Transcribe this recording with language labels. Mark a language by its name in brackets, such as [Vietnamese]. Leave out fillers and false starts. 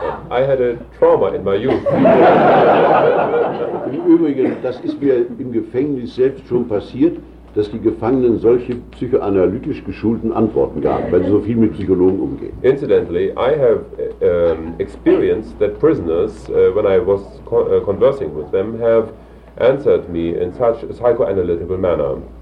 [English] I had a trauma in my youth. [German] Im Übrigen, das ist mir im Gefängnis selbst schon passiert, dass die Gefangenen solche psychoanalytisch geschulten Antworten gaben, weil sie so viel mit Psychologen umgehen. [English] Incidentally, I have experienced that prisoners, when I was conversing with them, have answered me in such a psychoanalytical manner.